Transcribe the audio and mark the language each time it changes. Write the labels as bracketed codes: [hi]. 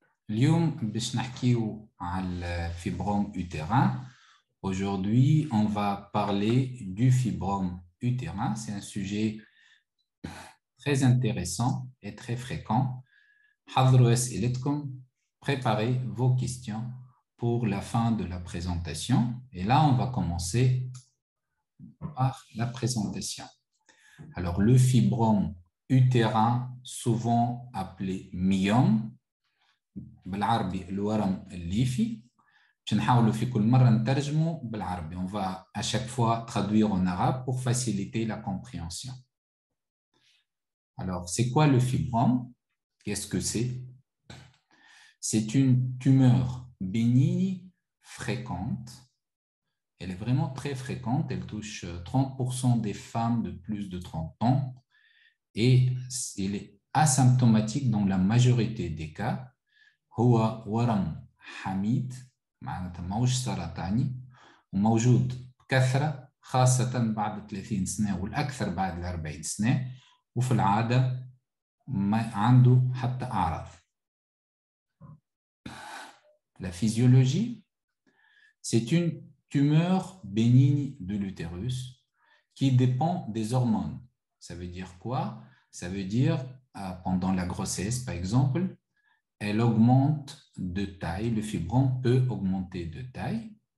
[ar] اليوم باش نحكيو على فيبروم اوتيرين. [fr] aujourd'hui on va parler du fibrome utérin. C'est un sujet très intéressant et très fréquent. [ar] حضروا اسئلتكم، [fr] préparez vos questions pour la fin de la présentation. Et là on va commencer par la présentation. Alors le fibrome utérin, souvent appelé myome [ar] بالعربي الورم الليفي. نحاول في كل مرة نترجمه بالعربي. [fr] On va à chaque fois traduire en arabe pour faciliter la compréhension. Alors, c'est quoi le fibrome? Qu'est-ce que c'est? C'est une tumeur bénigne fréquente. Elle est vraiment très fréquente. Elle touche 30% des femmes de plus de 30 ans. Et il est asymptomatique dans la majorité des cas. [ar] هو ورم حميد معناتها ماهوش سرطاني وموجود بكثرة خاصة بعد 30 سنة والأكثر بعد 40 سنة وفي العادة ما عنده حتى أعراض. [fr] La physiologie, c'est une tumeur bénigne de l'utérus qui dépend des hormones. Ça veut dire quoi? Ça veut dire pendant la grossesse par exemple, elle augmente de taille, le fibrome peut augmenter de taille.